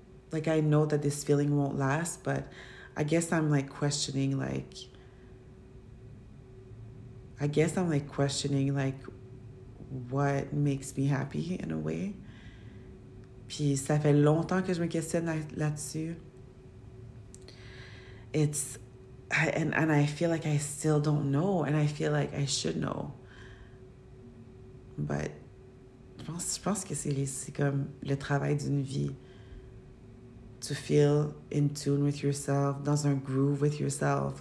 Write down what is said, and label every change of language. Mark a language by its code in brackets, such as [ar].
[en] Like, I know that this feeling won't last, but I guess I'm like questioning, like, I guess I'm like questioning, like, what makes me happy in a way. [fr] Puis ça fait longtemps que je me questionne là-dessus. [en] It's, and I feel like I still don't know, and I feel like I should know. [fr] But je pense que c'est comme le travail d'une vie. [en] To feel in tune with yourself, [fr] dans un groove [en] with yourself.